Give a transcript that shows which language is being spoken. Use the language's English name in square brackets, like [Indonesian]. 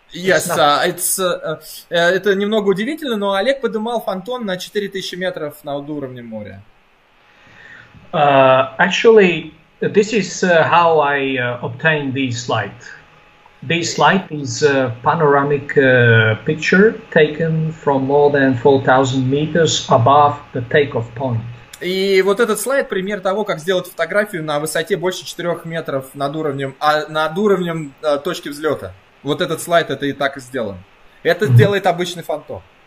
[Russian] Yes, это немного удивительно, но Олег поднимал Фантом на 4000 метров над уровнем моря. [English] Actually, this is how I obtained this light. This light is a panoramic picture taken from more than 4000 meters above the takeoff point. [Russian] И вот этот слайд — пример того, как сделать фотографию на высоте больше 4 метров над уровнем, точки взлета. Вот этот слайд, это и так и сделан. Это делает обычный Фантом.